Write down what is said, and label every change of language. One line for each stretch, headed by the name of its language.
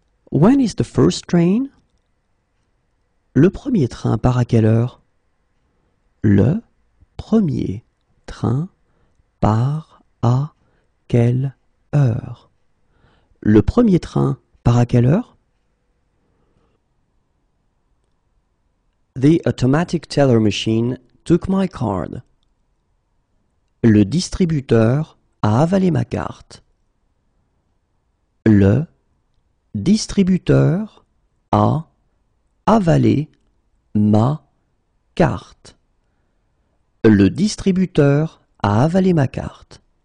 English: When is the first train?
French: Le premier train part à quelle heure? Le premier train part à quelle heure? Le premier train part à quelle heure?
English: The automatic teller machine took my card.
French: Le distributeur a avalé ma carte. Le distributeur a avalé ma carte. Le distributeur a avalé ma carte.